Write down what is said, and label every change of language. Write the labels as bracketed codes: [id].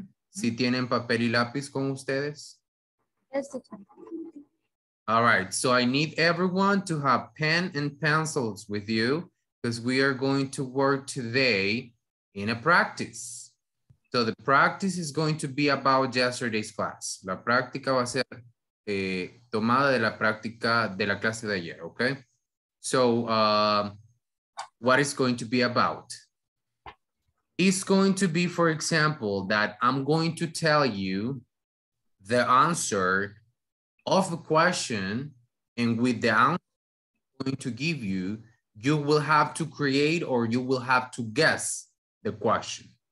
[es] ¿Si tienen papel y lápiz con ustedes? [en] Yes. All right, so I need everyone to have pen and pencils with you because we are going to work today in a practice. So the practice is going to be about yesterday's class. [es] La práctica va a ser tomada de la práctica de la clase de ayer, okay? [en] So what is going to be about? It's going to be, for example, that I'm going to tell you the answer of a question, and with the answer I'm going to give you, you will have to create or you will have to guess the question.